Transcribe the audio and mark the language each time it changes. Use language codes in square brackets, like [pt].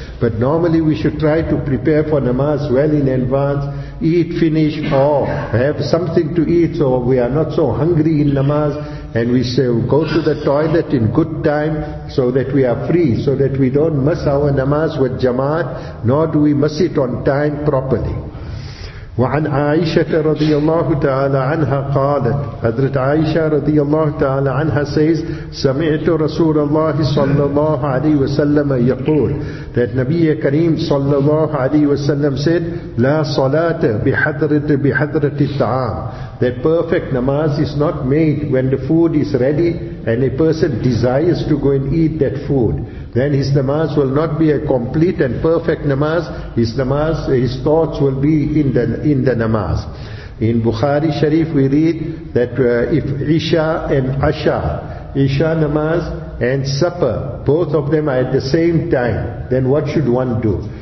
[en] But normally, we should try to prepare for namaz well in advance. Eat, finish, or have something to eat so we are not so hungry in namaz. And we say, go to the toilet in good time so that we are free, so that we don't miss our namaz with jamaat, nor do we miss it on time properly. [ar] وعن عائشة رضي الله تعالى عنها قالت حضرت عائشة رضي الله تعالى عنها [en] says [ar] سمعت رسول الله صلى الله عليه وسلم يقول [en] that [ar] نبي كريم صلى الله عليه وسلم [en] said [ar] لا صلاة بحضرة الطعام [en] that perfect namaz is not made when the food is ready and a person desires to go and eat that food. Then his namaz will not be a complete and perfect namaz. His namaz, his thoughts will be in the namaz. In Bukhari Sharif we read that if Isha and Asha, Isha namaz and supper, both of them are at the same time, then what should one do?